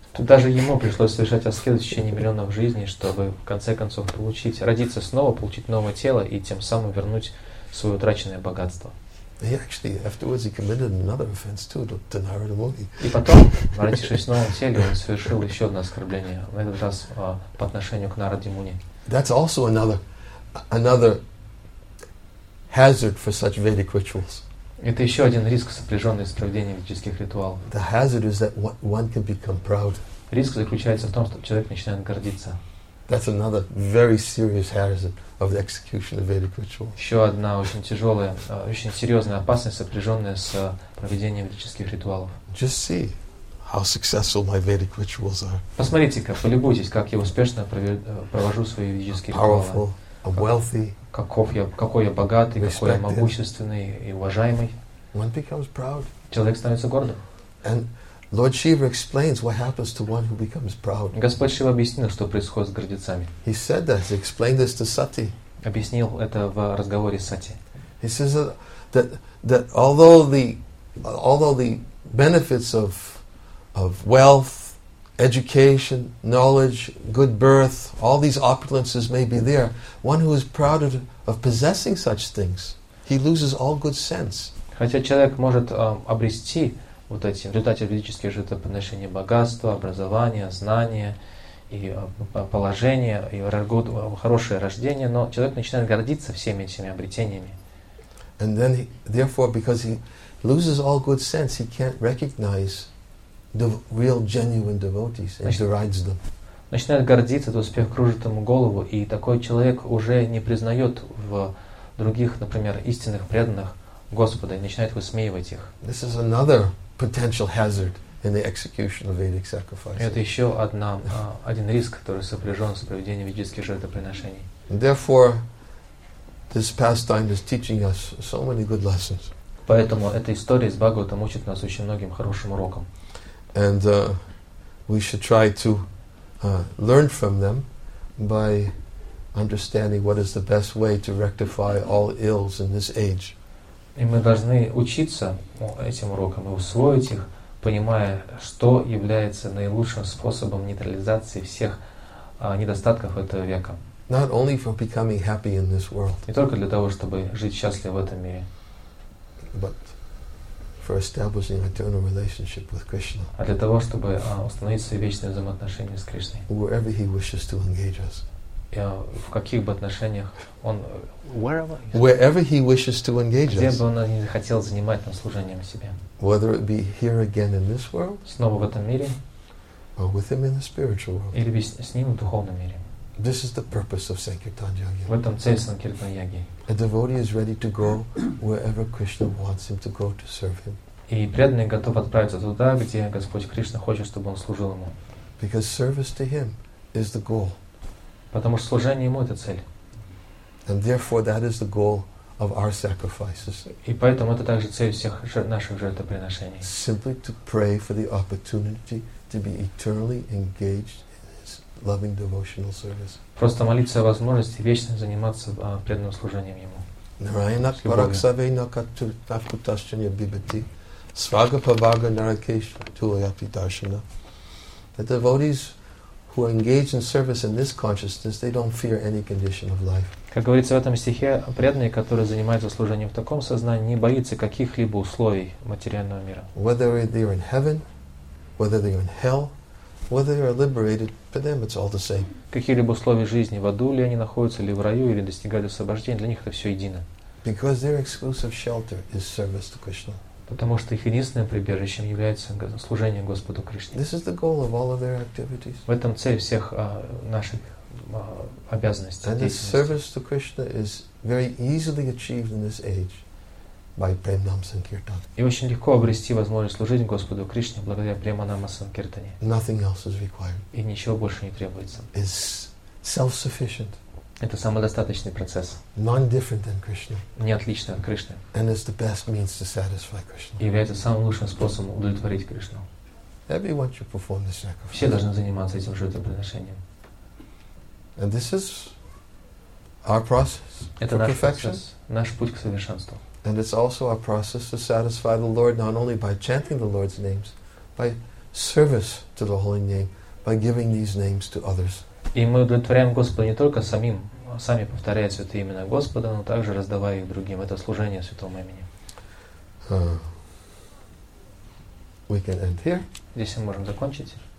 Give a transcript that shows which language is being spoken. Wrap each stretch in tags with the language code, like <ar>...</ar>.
<ru>Тут даже ему пришлось совершать аскезы в течение миллионов жизней, чтобы в конце концов получить родиться снова, получить новое тело и тем самым вернуть свое утраченное богатство.</ru> <en>He actually afterwards he committed another offense too to Narada Muni.</en> <ru>И потом, родившись в новом теле, он совершил еще одно оскорбление, в этот раз по отношению к Нараде Муни.</ru> <en>That's also another hazard for such Vedic rituals.</en> <ru>Это еще один риск, сопряженный с проведением ведических ритуалов.</ru> <en>The hazard is that one can become proud.</en> <ru>Риск заключается в том, что человек начинает гордиться.</ru> <en>That's another very serious hazard of the execution of Vedic rituals.</en> <ru>Еще одна очень тяжелая, очень серьезная опасность, сопряженная с проведением ведических ритуалов.</ru> <en>Just see how successful my Vedic rituals are.</en> <ru>Посмотрите-ка, полюбуйтесь, как я успешно провожу свои ведические ритуалы.</ru> <en>A wealthy,</en> <ru>какой я богатый, какой я могущественный и уважаемый.</ru> <en>One becomes proud.</en> <ru>Человек становится гордым.</ru> <en>And Lord Shiva explains what happens to one who becomes proud.</en> <ru>Господь Шива объяснил, что происходит с гордецами.</ru> <en>He said that. He explained this to Sati.</en> <ru>Объяснил это в разговоре с Сати.</ru> <en>He says that although the benefits of wealth, education, knowledge, good birth, all these opulences may be there. One who is proud of possessing such things, he loses all good sense.</en> <ru>Хотя человек может обрести вот эти в результате ведических жертвоприношений богатство, образование, знания и положение, и хорошее рождение, но человек начинает гордиться всеми этими обретениями.</ru> <en>And then, therefore, because he loses all good sense, he can't recognize the real genuine devotees and derides them.</en> <ru>Начинает гордиться, этот успех кружит ему голову, и такой человек уже не признает в других, например, истинных преданных Господа и начинает высмеивать их.</ru> <en>This is another potential hazard in the execution of Vedic sacrifices.</en> <ru>Это еще одна, один риск, который сопряжен с проведением ведических жертвоприношений.</ru> <en>Therefore, this pastime is teaching us so many good lessons.</en> <ru>Поэтому эта история из Бхагаватам учит нас очень многим хорошим урокам.</ru> <en>And we should try to learn from them by understanding what is the best way to rectify all ills in this age.</en> <ru>И мы должны учиться этим урокам и усвоить их, понимая, что является наилучшим способом нейтрализации всех недостатков этого века.</ru> <en>Not only for becoming happy in this world.</en> <ru>Не только для того, чтобы жить счастливо в этом мире.</ru> <en>But for establishing eternal relationship with Krishna.</en> <ru>А для того, чтобы установить свои вечные взаимоотношения с Кришной.</ru> <en>Wherever he wishes to engage us.</en> <ru>В каких бы отношениях он</ru> <en>wherever he wishes to engage</en> <ru>где бы он не захотел занимать нам служением себе,</ru> <en>whether it be here again in this world,</en> <ru>снова в этом мире,</ru> <en>or with him in the spiritual world,</en> <ru>или с ним в духовном мире.</ru> <en>This is the purpose of Sankirtan Yagya.</en> <ru>В этом цель Санкиртан Яги.</ru> <en>A devotee is ready to go wherever Krishna wants him to go to serve him.</en> <ru>И преданный готов отправиться туда, где Господь Кришна хочет, чтобы он служил ему.</ru> <en>Because service to him is the goal.</en> <ru>Потому что служение ему — это цель.</ru> <en>And therefore that is the goal of our sacrifices.</en> <ru>И поэтому это также цель всех наших жертвоприношений.</ru> <en>Simply to pray for the opportunity to be eternally engaged in his loving devotional service.</en> <ru>Просто молиться о возможности вечно заниматься преданным служением ему.</ru> <sa>Нараяна параксавейна катуташчанья бибати свагапавага наракеша тулаяпи даршана.</sa> <en>The devotees who are engaged in service in this consciousness, they don't fear any condition of life.</en> <ru>Как говорится в этом стихе, преданные, которые занимаются служением в таком сознании, не боятся каких-либо условий материального мира.</ru> <en>Whether they are in heaven, whether they are in hell, whether they are liberated, for them it's all the same.</en> <ru>Какие-либо условия жизни, в аду ли они находятся, или в раю, или достигают освобождения, для них это все едино.</ru> <en>Because their exclusive shelter is service to Krishna.</en> <ru>Потому что их единственным прибежищем является служение Господу Кришне.</ru> <en>This is the goal of all of their activities.</en> <ru>В этом цель всех наших обязанностей.</ru> <en>And this service to Krishna is very easily achieved in this age by Premanama Sankirtan.</en> <ru>И очень легко обрести возможность служить Господу Кришне благодаря Преманама Санкиртане.</ru> <en>Nothing else is required.</en> <ru>И ничего больше не требуется.</ru> <en>It's self-sufficient.</en> <ru>Это самодостаточный процесс.</ru> <en>Non-different than Krishna.</en> <ru>Не отличный от Кришны.</ru> <en>And it's the best means to satisfy Krishna.</en> <ru>И является самым лучшим способом удовлетворить Кришну.</ru> <en>Everyone should perform this sacrifice.</en> <ru>Все должны заниматься этим жертвоприношением.</ru> <en>And this is our process.</en> <ru>Это наш процесс, наш путь к совершенству.</ru> <en>And it's also our process to satisfy the Lord not only by chanting the Lord's names, by service to the holy name, by giving these names to others.</en> <ru>И мы удовлетворяем Господа не только самим, сами повторяя святые имена Господа, но также раздавая их другим. Это служение святому имени.</ru> <en>We can end here.</en> <ru>Здесь мы можем закончить.</ru>